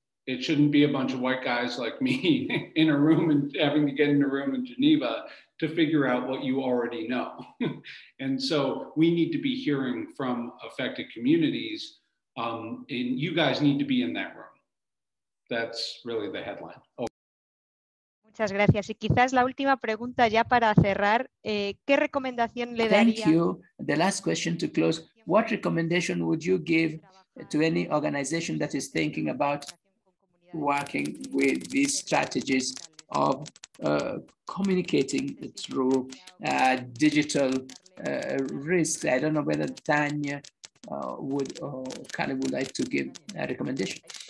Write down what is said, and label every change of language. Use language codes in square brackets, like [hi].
[en] It shouldn't be a bunch of white guys like me in a room and having to get in a room in Geneva to figure out what you already know. And so we need to be hearing from affected communities, and you guys need to be in that room. That's really the headline. Oh. [es] Muchas gracias. Y quizás la última pregunta ya para cerrar, ¿qué recomendación le daría? [en] Thank you. The last question to close. What recommendation would you give to any organization that is thinking about working with these strategies of communicating through digital risks? I don't know whether Tania would or Kali would like to give a recommendation.